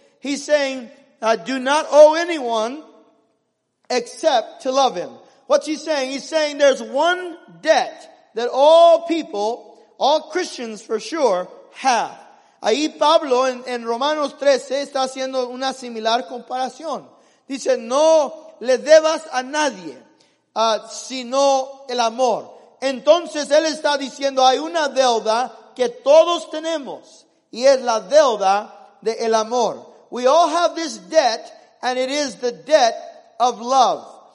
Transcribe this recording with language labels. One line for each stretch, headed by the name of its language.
English: He's saying, do not owe anyone except to love him. What's he saying? He's saying there's one debt that all people, all Christians for sure, have.
Spanish: Ahí Pablo en Romanos 13 está haciendo una similar comparación. Dice, no le debas a nadie, sino el amor. Entonces él está diciendo, hay una deuda que todos tenemos, y es la deuda de el amor.
English: We all have this debt, and it is the debt of love.